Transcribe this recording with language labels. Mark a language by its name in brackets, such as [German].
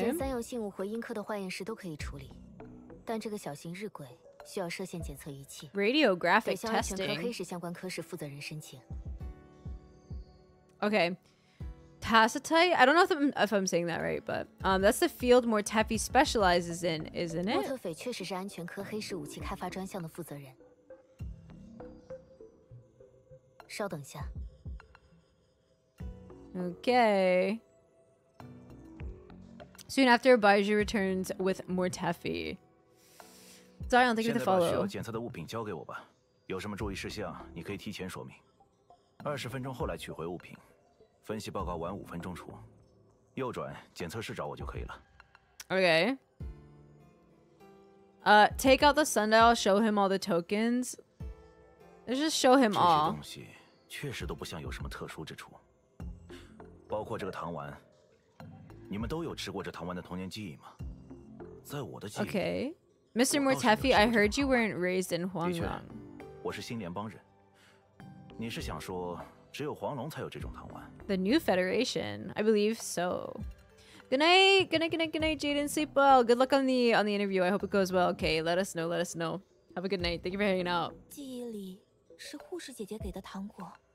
[Chinese] 前三样信物回音科的化验室都可以处理，但这个小型日晷需要射线检测仪器。 [English] Radiographic testing. [Chinese] 向安全科黑市相关科室负责人申请。 [English] Okay. Tacitite? I don't know if I'm saying that right, but that's the field more Teffy specializes in, isn't it? [Chinese] 莫特斐确实是安全科黑市武器开发专项的负责人。稍等下。 [English] Okay. Soon after, Baiju returns with more Teffy. Zion, thank you for the follow. [Chinese] 现在把需要检测的物品交给我吧。有什么注意事项，你可以提前说明。 20分钟后来取回物品，分析报告晚5分钟出。右转检测室找我就可以了。 [English] Okay. Take out the sundial. Show him all the tokens. Let's just show him all. [Chinese] 这些东西确实都不像有什么特殊之处，包括这个糖丸。你们都有吃过这糖丸的童年记忆吗？在我的记忆里 [English] ，Okay, Mr. Morteffy, I heard you weren't raised in Huanglong. [Chinese] 我是新联邦人。你是想说只有黄龙才有这种糖丸 [English] ？The New Federation, I believe so. Good night, good night, good night, good night, Jaden. Sleep well. Good luck on the interview. I hope it goes well. Okay, let us know. Let us know. Have a good night. Thank you for hanging out. [Chinese] 记忆里。是护士姐姐给的糖果。